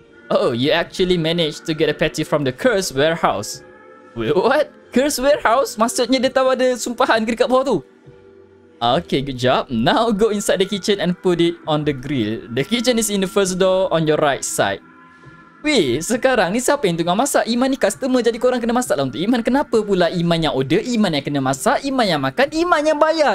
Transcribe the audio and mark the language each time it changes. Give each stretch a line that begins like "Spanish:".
English: Oh, you actually managed to get a patty from the cursed warehouse. What? Curse warehouse?
Malay: Maksudnya dia tahu ada sumpahan ke dekat bawah tu?
English: Okay, good job. Now go inside the kitchen and put it on the grill. The kitchen is in the first door on your right side.
Malay: Weh, sekarang ni siapa yang tengah masak? Iman ni customer, jadi korang kena masak lah untuk Iman. Kenapa pula Iman yang order, Iman yang kena masak, Iman yang makan, Iman yang bayar?